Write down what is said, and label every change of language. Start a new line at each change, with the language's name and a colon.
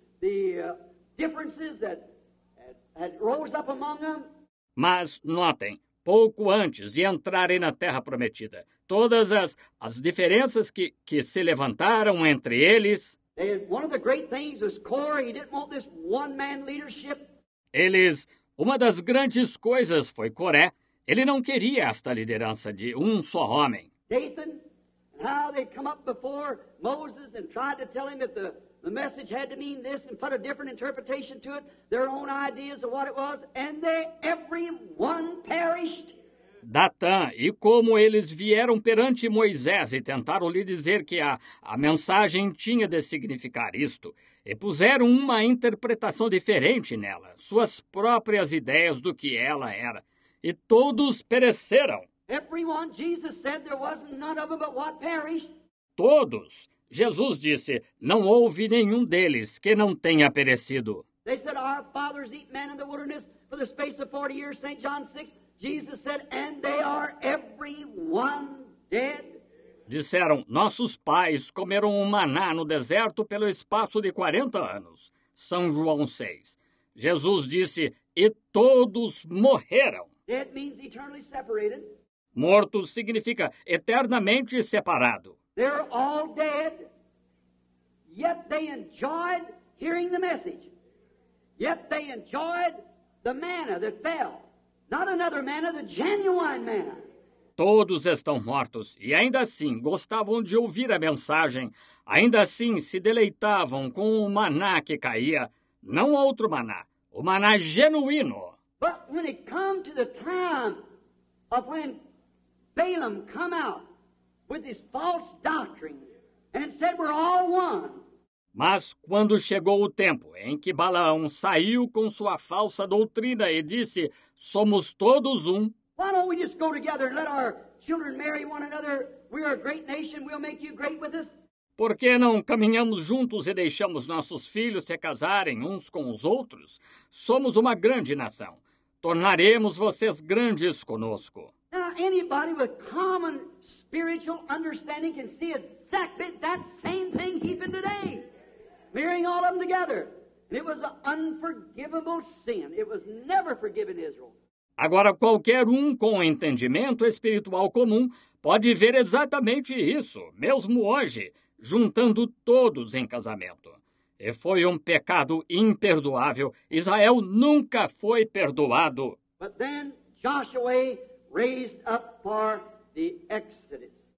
English: all the differences that had rose up among them.
Portuguese: Mas notem, pouco antes de entrarem na Terra Prometida, todas as diferenças que se levantaram entre eles.
English: And one of the great things is Korah, he didn't want this one-man leadership.
Portuguese: Eles, uma das grandes coisas foi Coré. Ele não queria esta liderança de um só homem.
English: Dathan, how they come up before Moses and tried to tell him that the message had to mean this and put a different interpretation to it, their own ideas of what it was, and they everyone perished.
Portuguese: Datan, e como eles vieram perante Moisés e tentaram lhe dizer que a mensagem tinha de significar isto, e puseram uma interpretação diferente nela, suas próprias ideias do que ela era, e todos pereceram.
English: Everyone, Jesus said, there was none of them but what perished.
Portuguese: Todos, Jesus disse, não houve nenhum deles que não tenha perecido.
English: They said, our fathers eat man in the wilderness for the space of 40 years, St. John 6. Jesus said, and they are everyone dead.
Portuguese: Disseram, nossos pais comeram um maná no deserto pelo espaço de 40 anos. São João 6. Jesus disse, e todos morreram.
English: Dead means eternally separated.
Portuguese: Morto significa eternamente separado.
English: They're all dead, yet they enjoyed hearing the message. Yet they enjoyed the manna that fell. Not another manna, the genuine manna.
Portuguese: Todos estão mortos e ainda assim gostavam de ouvir a mensagem. Ainda assim se deleitavam com o maná que caía. Não outro maná, o maná genuíno.
English: But when it come to the time of when Balaam come out with his false doctrine and said we're all one.
Portuguese: Mas quando chegou o tempo em que Balaão saiu com sua falsa doutrina e disse, somos todos um.
English: Why don't we just go together and let our children marry one another? We are a great nation, we'll make you great with us.
Portuguese: Por que não caminhamos juntos e deixamos nossos filhos se casarem uns com os outros? Somos uma grande nação. Tornaremos vocês grandes conosco.
English: Now, anybody with common spiritual understanding can see exactly that same thing even today. Marrying all of them together. It was an unforgivable sin. It was never forgiven Israel.
Portuguese: Agora, qualquer um com entendimento espiritual comum pode ver exatamente isso, mesmo hoje, juntando todos em casamento. E foi um pecado imperdoável. Israel nunca foi perdoado.
English: But then Joshua raised up for the Exodus.